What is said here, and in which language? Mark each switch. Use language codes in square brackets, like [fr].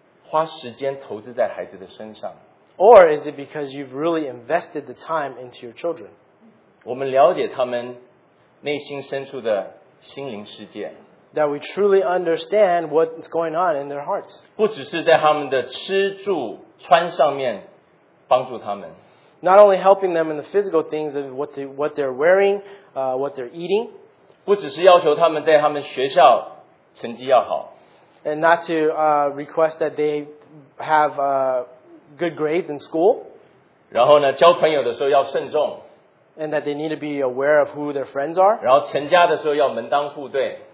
[zh] 还是我们有花时间投资在孩子的身上? [en] Or is it because you've really invested the time into your children? [zh] 我们了解他们内心深处的心灵世界。 [en] That we truly understand what's going on in their hearts. [zh] 不只是在他们的吃住穿上面 [en] Not only helping them in the physical things of what they're wearing, what they're eating. [zh] 不只是要求他们在他们学校成绩要好, [en] and not to request that they have good grades in school. [zh] 然后呢, 交朋友的时候要慎重, [en] and that they need to be aware of who their friends are. [zh] 然后成家的时候要门当户对,